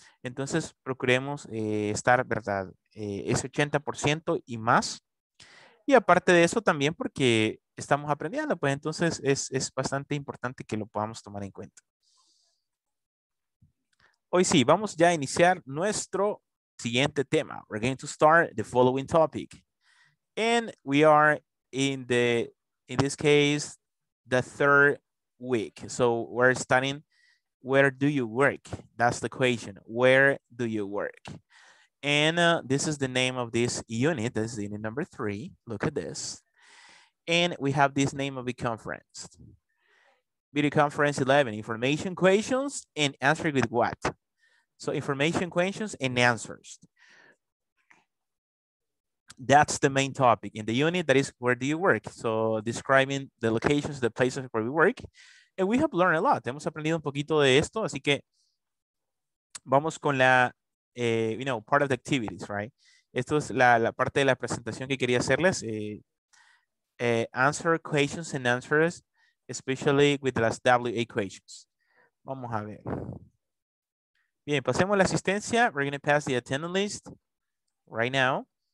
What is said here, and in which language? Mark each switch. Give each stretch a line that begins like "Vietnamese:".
Spanish: Entonces procuremos estar, ¿verdad? Ese 80% y más. Y aparte de eso también porque estamos aprendiendo, pues entonces es bastante importante que lo podamos tomar en cuenta. Hoy sí, vamos ya a iniciar nuestro siguiente tema.
English: We're going to start the following topic. And we are in this case, the third week. So we're studying, where do you work? That's the question, where do you work? And this is the name of this unit, this is unit number 3, look at this. And we have this name of the conference. Video conference 11, information questions and answering with what? So information questions and answers. That's the main topic in the unit, that is where do you work? So describing the locations, the places where we work. And we have learned a lot.
Spanish: Hemos aprendido un poquito de esto. Así que vamos con la,
English: you know, part of the activities, right?
Spanish: Esto es la parte de la presentación que quería hacerles.
English: Answer questions and answers, especially with las WA questions.
Spanish: Vamos a ver. Bien, pasemos la asistencia.
English: We're going to pass the attendance list right now.